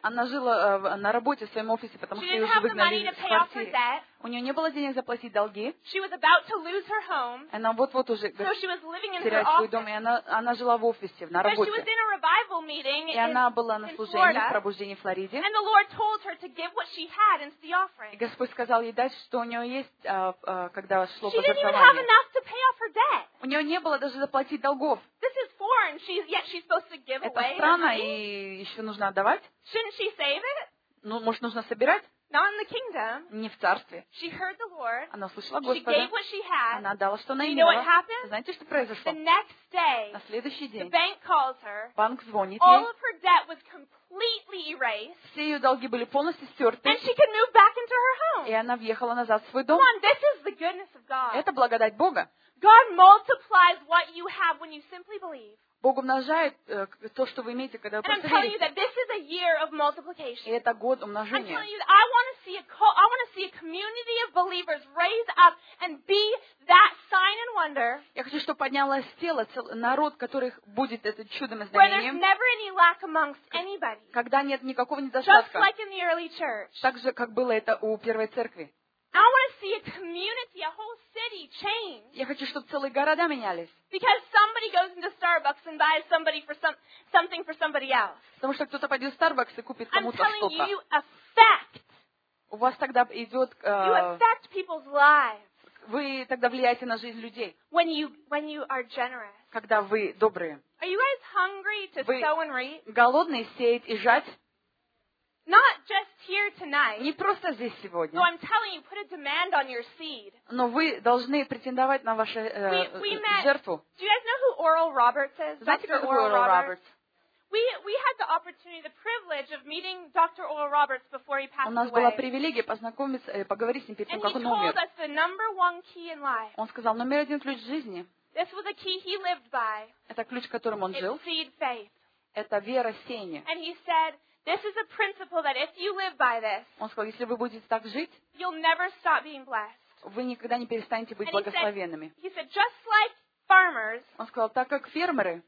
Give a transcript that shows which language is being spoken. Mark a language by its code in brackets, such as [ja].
[ru] Она жила на работе в своём офисе, потому что её уже выгнали из квартиры. У неё не было денег заплатить долги. [en] She was about to lose her home. [ru] Она вот-вот уже теряет свой дом, и она жила в офисе, на работе. [en] She was in a revival meeting. [ru] И она была на служении пробуждения в Флориде. [en] And the Lord told her to give what she had into the offering. [ru] И Господь сказал ей дать, что у неё есть, когда шло пожертвование. [en] Pay off her debt. [ru] У неё не было даже заплатить долгов. [en] This is foreign. She's supposed to give [ru] это [en] away. [ru] Это странно, и ещё нужно отдавать? [en] Shouldn't she save it? [ru] Ну, может, нужно собирать? [en] Not in the kingdom. [ru] Не в царстве. [en] She heard the Lord. [ru] Она услышала Господа. [en] She gave what she had. [ru] Она отдала, что она [en] you [ru] имела. [en] Know what happened? [ru] Знаете, что произошло? [en] The next day. [ru] На следующий день. [en] The bank calls her. [ru] Банк звонит [en] All [ru] ей. [en] All of her debt was completely erased. [ru] Все её долги были полностью стёрты. [en] And she can move back into her home. [ru] И она въехала назад в свой дом. [en] Come on, this is the goodness of God. [ru] Это благодать Бога. [en] God multiplies what you have when you simply believe. [ru] Бог умножает то, что вы имеете, когда вы просто верите. [en] And I'm telling you that this is a year of multiplication. [ru] И это год умножения. [en] I'm telling you that I want to see a community of believers raise up and be that sign and wonder. [ru] Я хочу, чтобы поднялось тело, народ, которых будет это чудом и знамением. [en] Where there's never any lack amongst anybody. [ru] Когда нет никакого недостатка. [en] Just like in the early church. [ru] Так же, как было это у первой церкви. [en] I want to see a community, a whole city change. [ru] Я хочу, чтобы целые города менялись. [en] Because somebody goes into Starbucks and buys somebody for something for somebody else. [ru] Потому что кто-то пойдет в Starbucks и купит кому-то что-то. [en] I'm telling you, affect. [ru] У вас тогда идет. [en] You affect people's lives. [ru] Вы тогда влияете на жизнь людей. [en] When you are generous. [ru] Когда вы добрые. [en] Are you guys hungry to sow and reap? [ru] Вы голодные сеять и жать? [en] Not just here tonight. [ru] Не просто здесь сегодня. [en] No, I'm telling you, put a demand on your seed. [ru] Но вы должны претендовать на ваше жертву. [en] Do you guys know who Oral Roberts is? [ru] Знаете, кто Oral Roberts? [en] We had the opportunity, the privilege of meeting Dr. Oral Roberts before he passed away. [ru] У нас была привилегия познакомиться, поговорить с ним перед тем, как он умер. [en] And he told us the number one key in life. [ru] Он сказал, номер один ключ жизни. [en] This was a key he lived by. [ru] Это ключ, которым он жил. [en] It's seed faith. [ru] Это вера сеяния. [en] And he said, This is a principle that if you live by this, [ru] Он сказал, если вы будете так жить, [en] you'll never stop being blessed. [ru] Вы никогда не перестанете быть благословенными. [en] He said, just like farmers, [ru] он сказал, так как фермеры,